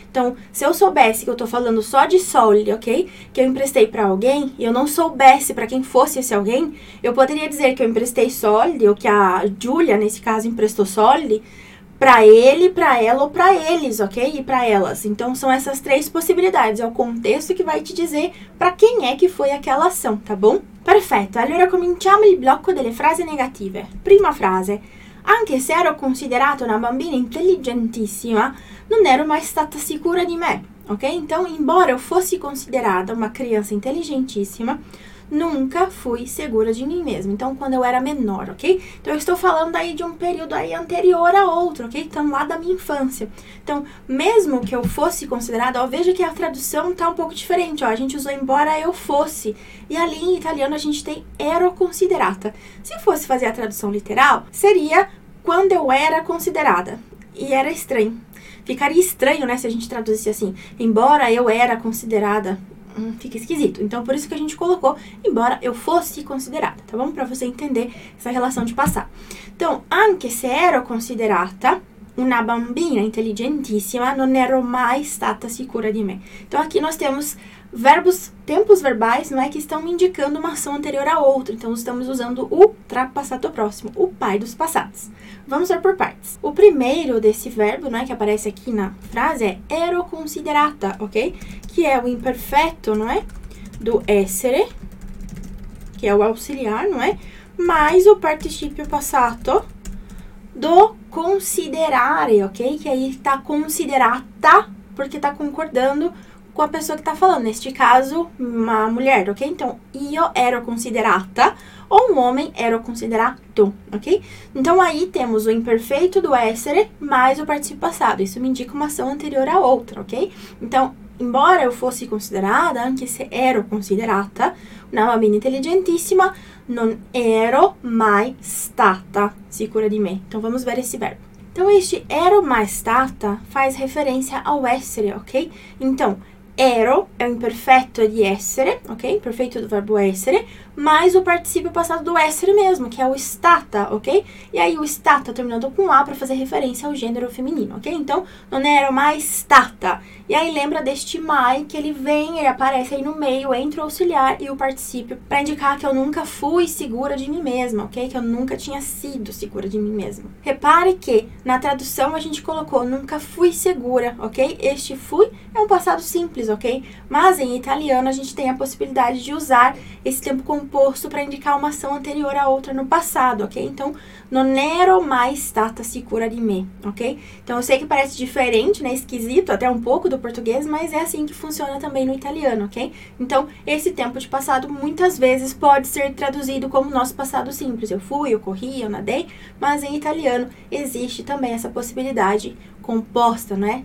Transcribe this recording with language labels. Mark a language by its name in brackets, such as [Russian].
[Portuguese] Então, se eu soubesse que eu tô falando só de soli, ok? Que eu emprestei pra alguém e eu não soubesse pra quem fosse esse alguém, eu poderia dizer que eu emprestei soli, ou que a Giulia, nesse caso, emprestou soli pra ele, pra ela ou pra eles, ok? E pra elas. Então, são essas três possibilidades. É o contexto que vai te dizer pra quem é que foi aquela ação, tá bom? Perfeito. [Italian] Allora, cominciamo il blocco delle frasi negative. Prima frase. Anche se ero considerata una bambina intelligentissima, non ero mai stata sicura di me, ok? [Portuguese] Então, embora eu fosse considerada uma criança inteligentíssima, nunca fui segura de mim mesma. Então, quando eu era menor, ok? Então, eu estou falando aí de um período aí anterior a outro, ok? Então, lá da minha infância. Então, mesmo que eu fosse considerada, ó, veja que a tradução tá um pouco diferente, ó. A gente usou embora eu fosse. E ali, em italiano, a gente tem [Italian] ero considerata. [Portuguese] Se fosse fazer a tradução literal, seria quando eu era considerada. E era estranho. Ficaria estranho, né, se a gente traduzisse assim. Embora eu era considerada... fica esquisito. Então, por isso que a gente colocou, embora eu fosse considerada, tá bom? Pra você entender essa relação de passar. Então, [Italian] anche se ero considerata una bambina inteligentissima, non ero mai stata sicura di me. [Portuguese] Então, aqui nós temos verbos, tempos verbais, não é, que estão indicando uma ação anterior a outra. Então, estamos usando o trapassato próximo, o pai dos passados. Vamos ver por partes. O primeiro desse verbo, não é, que aparece aqui na frase é [Italian] ero considerata, [Portuguese] ok? Que é o imperfeito, não é? Do essere, que é o auxiliar, não é? Mais o participio passato do considerare, ok? Que aí tá considerata, porque tá concordando com a pessoa que tá falando, neste caso, uma mulher, ok? Então, [Italian] io ero considerata, [Portuguese] ou um homem [Italian] ero considerato, [Portuguese] ok? Então, aí temos o imperfeito do essere mais o participio passado. Isso me indica uma ação anterior à outra, ok? Então, embora eu fosse considerada, [Italian] anche se ero considerata, una bambina intelligentissima, non ero mai stata sicura di me. [Portuguese] Então, vamos ver esse verbo. Então, este [Italian] ero mai stata [Portuguese] faz referência ao essere, ok? Então, ero é o imperfeito de essere, ok? Imperfeito do verbo essere, mais o participio passado do essere mesmo, que é o stata, ok? E aí, o stata terminando com A para fazer referência ao gênero feminino, ok? Então, [Italian] non ero mai stata. [Portuguese] E aí, lembra deste mai que ele vem, ele aparece aí no meio, entre o auxiliar e o participio, para indicar que eu nunca fui segura de mim mesma, ok? Que eu nunca tinha sido segura de mim mesma. Repare que, na tradução, a gente colocou nunca fui segura, ok? Este fui é um passado simples, ok? Mas, em italiano, a gente tem a possibilidade de usar esse tempo composto para indicar uma ação anterior à outra no passado, ok? [Italian] Então, non ero mai stata sicura di me, ok? [Portuguese] Então, eu sei que parece diferente, né? Esquisito, até um pouco do português, mas é assim que funciona também no italiano, ok? Então, esse tempo de passado muitas vezes pode ser traduzido como nosso passado simples. Eu fui, eu corri, eu nadei, mas em italiano existe também essa possibilidade composta, né?